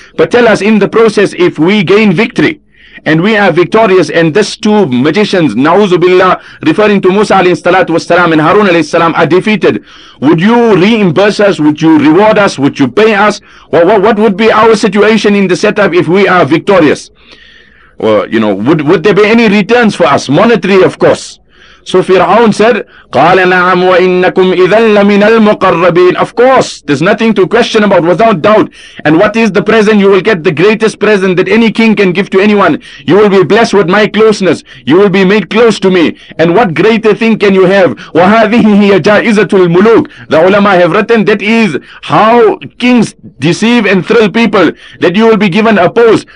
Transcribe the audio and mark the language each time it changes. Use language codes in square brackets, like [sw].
[en] But tell us in the process if we gain victory. And we are victorious, and these two magicians, na'uzu billah, referring to Musa alayhi salatu wassalam and Harun alayhi salam, are defeated. Would you reimburse us? Would you reward us? Would you pay us? Well, what would be our situation in the setup if we are victorious? Well, you know, would there be any returns for us? Monetary, of course. So Fir'aun said, [ar] قَالَ نَعَمْ وَإِنَّكُمْ إِذًا لَّمِنَ الْمُقَرَّبِينَ. [en] Of course, there's nothing to question about, without doubt. And what is the present? You will get the greatest present that any king can give to anyone. You will be blessed with my closeness. You will be made close to me. And what greater thing can you have? [ar] وَهَذِهِ هِيَ جَائِزَةُ الْمُلُوكِ. [en] The ulama have written, that is how kings deceive and thrill people, that you will be given a post.